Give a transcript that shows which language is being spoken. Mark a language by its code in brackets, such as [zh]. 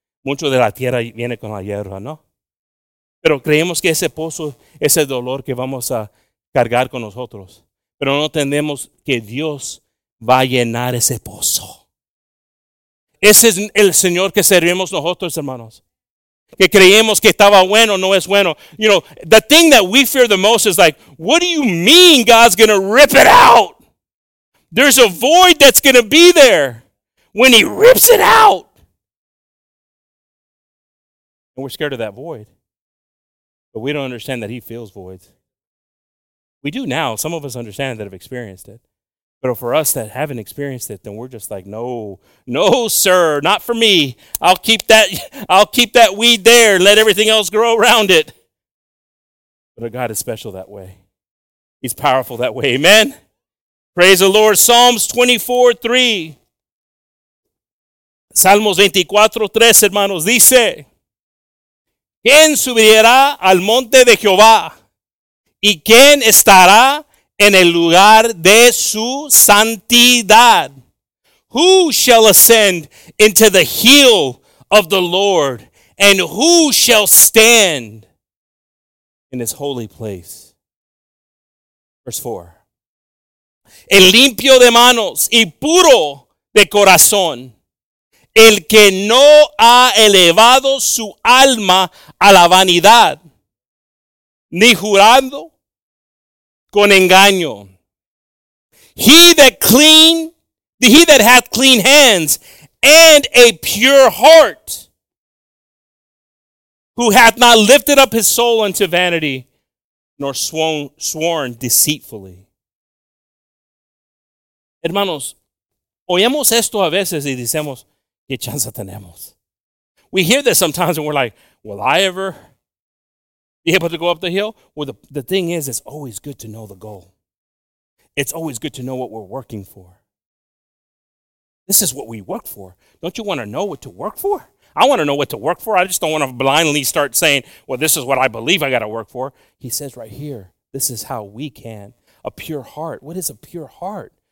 [es] Mucho de la tierra viene con la hierba, ¿no? Pero creemos que ese pozo es el dolor que vamos a cargar con nosotros. Pero no entendemos que Dios va a llenar ese pozo. Ese es el Señor que servimos nosotros, hermanos. Que creemos que estaba bueno, no es bueno. [en] You know, the thing that we fear the most is like, what do you mean God's going to rip it out? There's a void that's going to be there when he rips it out. And we're scared of that void. But we don't understand that he fills voids. We do now. Some of us understand that have experienced it. But for us that haven't experienced it, then we're just like, no, sir, not for me. I'll keep that weed there. Let everything else grow around it. But God is special that way. He's powerful that way. Amen? Praise the Lord. Psalms 24:3. [es] Salmos 24:3, hermanos, dice, ¿quién subirá al monte de Jehová? ¿Y quién estará en el lugar de su santidad? [en] Who shall ascend into the hill of the Lord? And who shall stand in his holy place? Verse 4. [es] El limpio de manos y puro de corazón, el que no ha elevado su alma a la vanidad, ni jurando con engaño. [en] He that hath clean hands and a pure heart, who hath not lifted up his soul unto vanity, nor sworn deceitfully. [es] Hermanos, oyemos esto a veces y decimos, ¿qué chance tenemos? [en] We hear this sometimes and we're like, will I ever be able to go up the hill? Well, the thing is, it's always good to know the goal. It's always good to know what we're working for. This is what we work for. Don't you want to know what to work for? I want to know what to work for. I just don't want to blindly start saying, well, this is what I believe I got to work for. He says right here, this is how we can. A pure heart. What is a pure heart?